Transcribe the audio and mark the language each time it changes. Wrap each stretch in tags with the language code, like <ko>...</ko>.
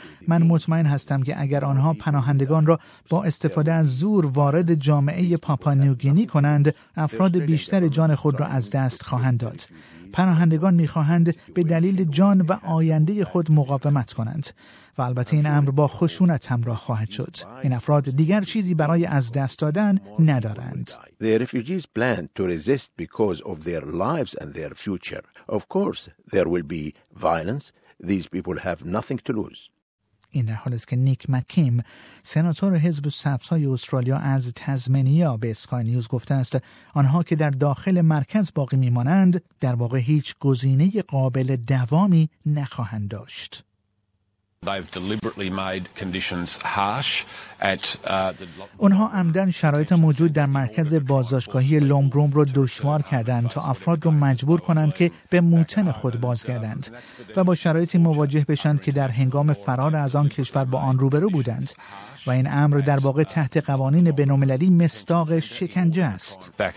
<fa>من مطمئن هستم که اگر آنها پناهندگان را با استفاده از زور وارد جامعه پاپا نیوگینی کنند، افراد بیشتر جان خود را از دست خواهند داد. پناهندگان می خواهند به دلیل جان و آینده خود مقاومت کنند و البته این امر با خشونت همراه خواهد شد. این افراد دیگر چیزی برای از دست دادن ندارند.</fa> <en>The refugees plan to resist because of their lives and their future. Of course, there will be violence. These people have nothing to lose.</en> <fa>این در حالی است که نیک مکیم، سناتور حزب سبزهای استرالیا از تزمنیا به اسکای نیوز گفته است آنها که در داخل مرکز باقی میمانند در واقع هیچ گزینه قابل دوامی نخواهند داشت.</fa> <en>They've deliberately made conditions harsh at</en> <fa>اونها عمدن شرایط موجود در مرکز بازداشتگاهی لومبروم رو دشوار کردند تا افراد رو مجبور کنند که به موطن خود بازگردند و با شرایطی مواجه بشند که در هنگام فرار از آن کشور با آن روبرو بودند و این امر در واقع تحت قوانین بین‌المللی مصداق شکنجه است.</fa>